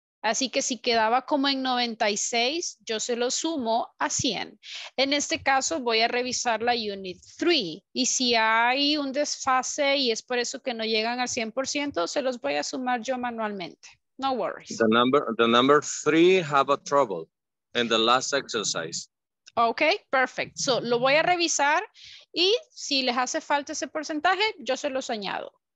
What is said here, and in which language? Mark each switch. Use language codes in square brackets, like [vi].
[es] Así que si quedaba como en 96, yo se lo sumo a 100. En este caso, voy a revisar la unit 3. Y si hay un desfase y es por eso que no llegan al 100%, se los voy a sumar yo manualmente. [en] No worries. The number 3 have a trouble in the last exercise. Okay, perfect. [es] So, lo voy a revisar y si les hace falta ese porcentaje, yo se los añado.